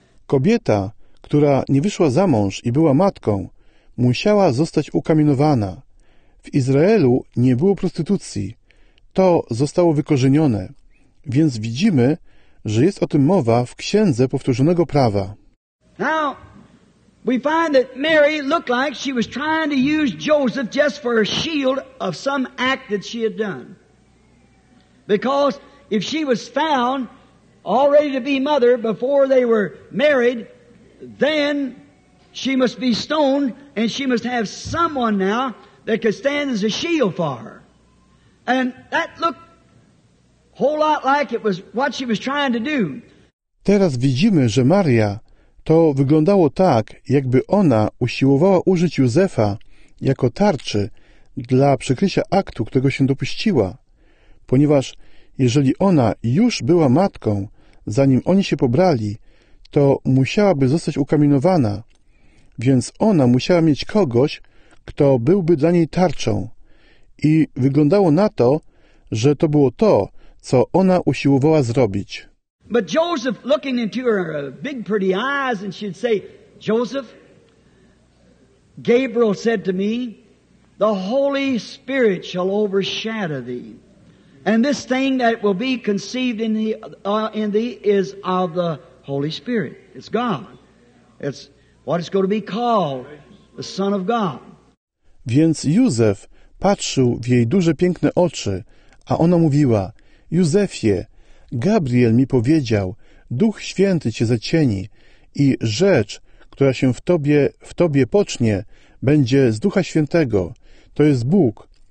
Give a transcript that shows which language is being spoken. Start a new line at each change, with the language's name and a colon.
Polish: Kobieta, która nie wyszła za mąż i była matką, musiała zostać ukamienowana. W Izraelu nie było prostytucji. To zostało wykorzenione. Więc widzimy, że jest o tym mowa w Księdze Powtórzonego Prawa.
English: Now, we find that Mary looked like she was trying to use Joseph just for a shield of some act that she had done. Because if she was found already to be mother before they were married, then she must be stoned and she must have someone now that could stand as a shield for her. And that looked whole lot like it was what she was trying to do.
Polish: Teraz widzimy, że Maria to wyglądało tak, jakby ona usiłowała użyć Józefa jako tarczy dla przykrycia aktu, którego się dopuściła. Ponieważ jeżeli ona już była matką, zanim oni się pobrali, to musiałaby zostać ukamienowana. Więc ona musiała mieć kogoś, kto byłby dla niej tarczą. I wyglądało na to, że to było to, co ona usiłowała zrobić.
English: But Joseph, looking into her big pretty eyes, and she'd say, Joseph, Gabriel said to me, the Holy Spirit shall overshadow thee, and this thing that will be conceived in thee is of the Holy Spirit. It's God. It's what it's going to be called, the Son of God.
Polish: Więc Józef patrzył w jej duże, piękne oczy, a ona mówiła, Józefie, Gabriel mi powiedział, Duch Święty cię zacieni i rzecz, która się w tobie pocznie, będzie z Ducha Świętego. To jest Bóg.